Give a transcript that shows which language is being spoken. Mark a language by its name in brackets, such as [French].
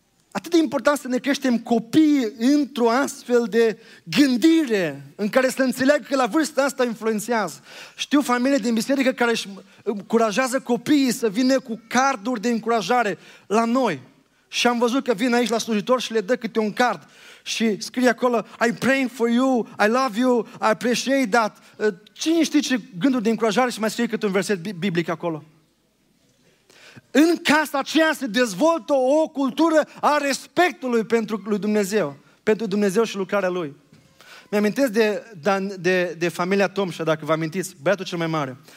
[Romanian] Atât de important să ne creștem copiii într-o astfel de gândire în care să înțeleagă că la vârsta asta influențează. Știu familie din biserică care își încurajează copiii să vină cu carduri de încurajare la noi. Și am văzut că vin aici la slujitor și le dă câte un card. Și scrie acolo, [English] I'm praying for you, I love you, I appreciate that. [Romanian] Cine știe ce gânduri de încurajare și mai scrie câte un verset biblic acolo? În casa aceea se dezvoltă o cultură a respectului pentru lui Dumnezeu, pentru Dumnezeu și lucrarea Lui. Mi-amintesc de familia Tomșa, dacă vă amintiți, băiatul cel mai mare.